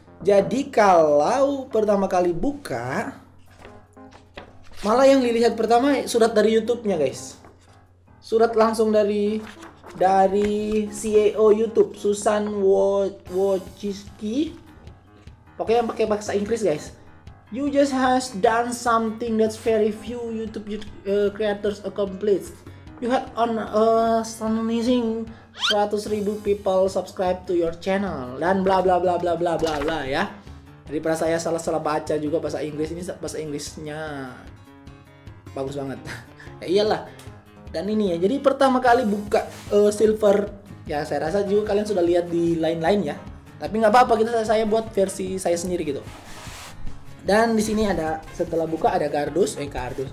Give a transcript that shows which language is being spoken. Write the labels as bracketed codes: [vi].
[id] Jadi kalau pertama kali buka, malah yang dilihat pertama surat dari YouTube-nya, guys. Surat langsung dari CEO YouTube, Susan Wojcicki. Pokoknya yang pakai bahasa Inggris, guys. [en] You just has done something that very few YouTube creators accomplished. You had an astonishing 100,000 people subscribe to your channel [id] dan bla bla bla bla bla bla bla ya. Daripada saya salah-salah baca juga bahasa Inggris, ini bahasa Inggrisnya bagus banget. Ya iyalah. Dan ini ya, jadi pertama kali buka silver ya, saya rasa juga kalian sudah lihat di lain-lain ya. Tapi enggak apa-apa, kita saya buat versi saya sendiri gitu. Dan di sini ada, setelah buka ada kardus, kardus.